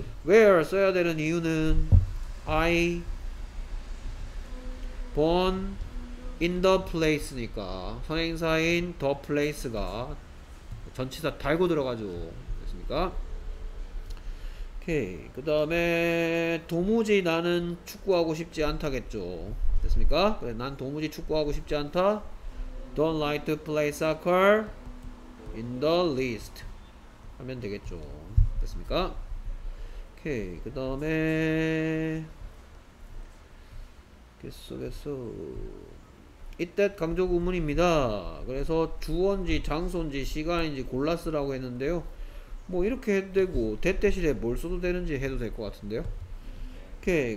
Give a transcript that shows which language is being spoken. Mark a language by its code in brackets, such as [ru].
[ko] where 써야 되는 이유는 [en] I born in the place [ko] 니까 선행사인 the place가 전치사 달고 들어가죠. 됐습니까? 오케이. 그 다음에 도무지 나는 축구하고 싶지 않다겠죠. 됐습니까? 그래, 난 도무지 축구하고 싶지 않다. [en] Don't like to play soccer in the least [ko] 하면 되겠죠. 됐습니까? 오케이. 그 다음에 계속해서 이때 강조구문입니다. 그래서 주어인지 장소인지 시간인지 골라쓰라고 했는데요. 뭐 이렇게 해도 되고 대 대신에 뭘 써도 되는지 해도 될 것 같은데요. 오케이.